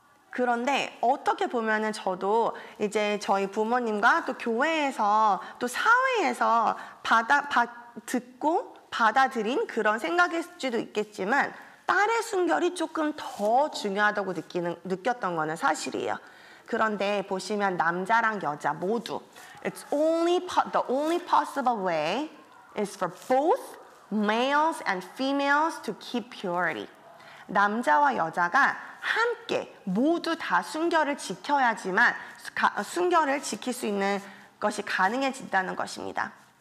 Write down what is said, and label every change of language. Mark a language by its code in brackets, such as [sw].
[ko] 그런데 어떻게 보면은 저도 이제 저희 부모님과 또 교회에서 또 사회에서 듣고 받아들인 그런 생각일 수도 있겠지만 딸의 순결이 조금 더 중요하다고 느꼈던 거는 사실이에요. 그런데 보시면 남자랑 여자 모두 [en] the only possible way is for both males and females to keep purity. [ko] 남자와 여자가 함께 모두 다 순결을 지켜야지만 순결을 지킬 수 있는 것이 가능해진다는 것입니다.